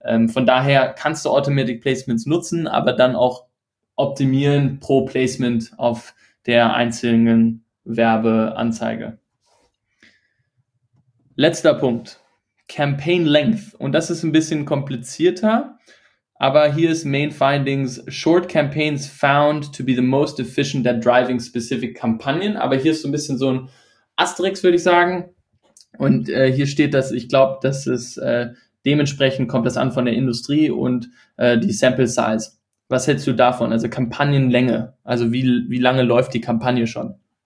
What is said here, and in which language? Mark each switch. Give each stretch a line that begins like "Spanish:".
German: Von daher kannst du Automated Placements nutzen, aber dann auch optimieren pro Placement auf der einzelnen Werbeanzeige. Letzter Punkt. Campaign Length. Und das ist ein bisschen komplizierter, aber hier ist Main Findings.
English: Short Campaigns found to be the most efficient at driving specific Kampagnen.
German: Aber hier ist so ein bisschen so ein Asterisk, würde ich sagen. Und hier steht, dass ich glaube, dass es dementsprechend kommt das an von der Industrie und die Sample Size. Was hältst du davon? Also Kampagnenlänge. Also wie lange läuft die Kampagne schon?